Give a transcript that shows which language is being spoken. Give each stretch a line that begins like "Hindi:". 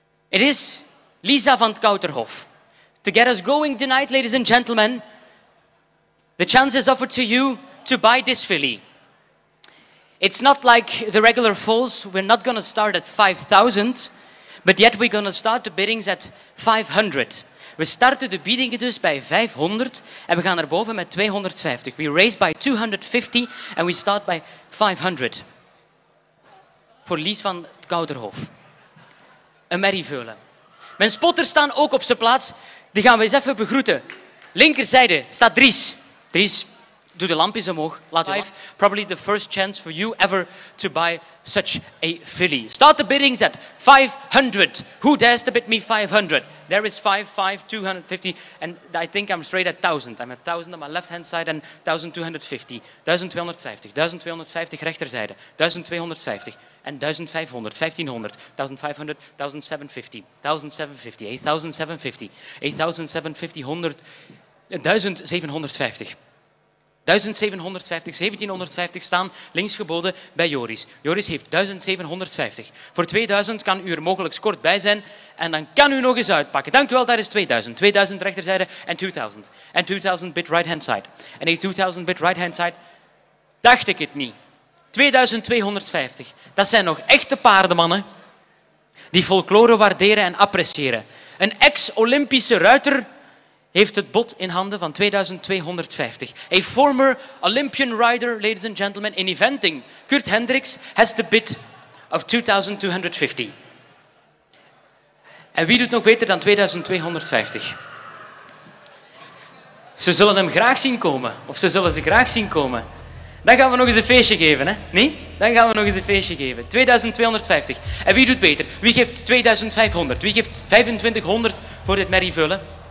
English: It is Lisa van Kouterhof. To get us going tonight, ladies and gentlemen, the chance is offered to you to buy this filly. It's not like the regular foals. We're not going to start at 5,000. But yet we're going to start the biddings at 500.
Dutch: We starten de biedingen dus bij 500 en we gaan erboven met 250.
English: We raise by 250 and we start by 500.
Dutch: Voor Lies van Kouterhof. Een merrieveulen. Mijn spotters staan ook op zijn plaats. Die gaan we eens even begroeten. Linkerzijde staat Dries. Dries, doe de lampjes omhoog. Laat live.
English: Probably the first chance for you ever to buy such a filly. Start the biddings at 500. Who dares to bid me 500? There is 250. And I think I'm straight at 1,000. I'm 1,000 on my left hand side and 1,250. 1,250.
Dutch: 1,250 rechterzijde. 1,250. En 1,500. 1,500. 1,500. 1,750. 1,750. 8,750. 8,750. 100. 1,750. 1750, 1750 staan links geboden bij Joris. Joris heeft 1750. Voor 2000 kan u er mogelijk kort bij zijn en dan kan u nog eens uitpakken. Dank u wel, daar is 2000. 2000 rechterzijde en 2000. En 2000
English: bit right hand side.
Dutch: En 2000
English: bit right hand side,
Dutch: dacht ik het niet. 2250, dat zijn nog echte paardenmannen die folklore waarderen en appreciëren. Een ex-Olympische ruiter heeft het bod in handen van 2250.
English: A former Olympian rider, ladies and gentlemen, in eventing, Kurt Hendricks, has the bid of 2250.
Dutch: En wie doet nog beter dan 2250? Ze zullen hem graag zien komen. Of ze zullen ze graag zien komen. Dan gaan we nog eens een feestje geven, hè? Nee? Dan gaan we nog eens een feestje geven. 2250. En wie doet beter? Wie geeft 2500? Wie geeft 2500 voor dit merrievullen?